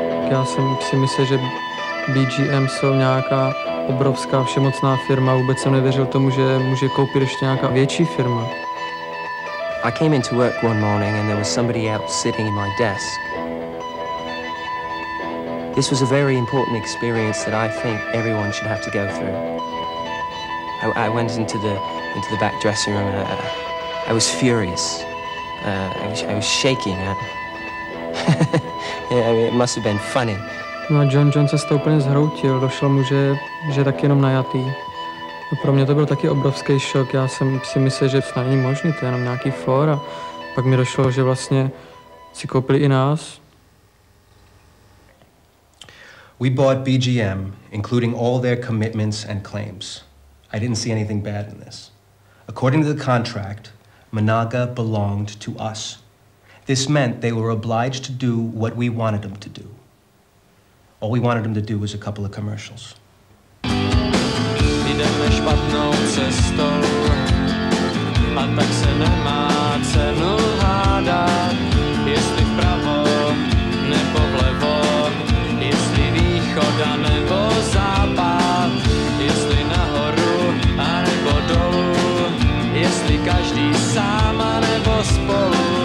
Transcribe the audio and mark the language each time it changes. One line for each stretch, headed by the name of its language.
Czech: Já jsem si myslel, že BGM jsou nějaká obrovská všemocná firma, vůbec jsem nevěřil tomu, že může koupit ještě nějaká větší firma.
English: I came into work one morning and there was somebody out sitting in my desk. This was a very important experience that I think everyone should have to go through. I went into the back dressing room and I was furious. I was shaking. it must have been funny.
Czech: No a John se to úplně zhroutil, došlo mu, že tak jenom najatý. A pro mě to byl taky obrovský šok, já jsem si myslel, že snad není možný, to je jenom nějaký for, a pak mi došlo, že vlastně si koupili i nás.
English: We bought BGM, including all their commitments and claims. I didn't see anything bad in this. According to the contract, Mňága belonged to us. This meant they were obliged to do what we wanted them to do. All we wanted him to do was a couple of commercials.
Czech: Jdeme špatnou cestou, a tak se nemá cenu hádat, jestli vpravo nebo vlevo, jestli východ a nebo západ, jestli nahoru a nebo dolů, jestli každý sám a nebo spolu.